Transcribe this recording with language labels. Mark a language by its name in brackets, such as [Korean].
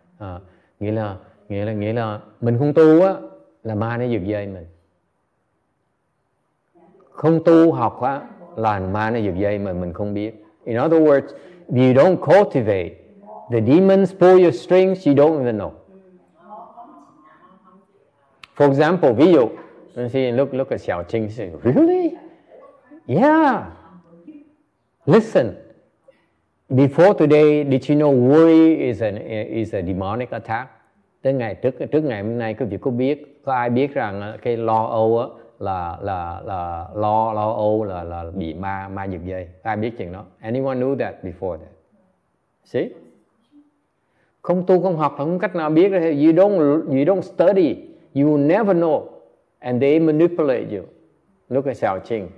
[Vietnamese] À, nghĩa là mình không tu á là ma nó giật dây mình. Không tu học á là ma nó giật dây mình không biết. [English] In other words, if you don't cultivate, the demons pull your strings, you don't even know. For example, [Vietnamese] ví dụ, [English] see, look at Xiao Qing, say, really? Yeah. Listen. Before today, did you know worry is a demonic attack? [Vietnamese] Tới ngày trước ngày hôm nay, quý vị có biết, có ai biết rằng cái lo âu á là lo âu là bị ma giật dây? Ai biết chuyện đó? [English] Anyone knew that before that? See? [Vietnamese] Không tu không học không cách nào biết. [English] You don't study. You never know, and they manipulate you. Look at Xiao Qing.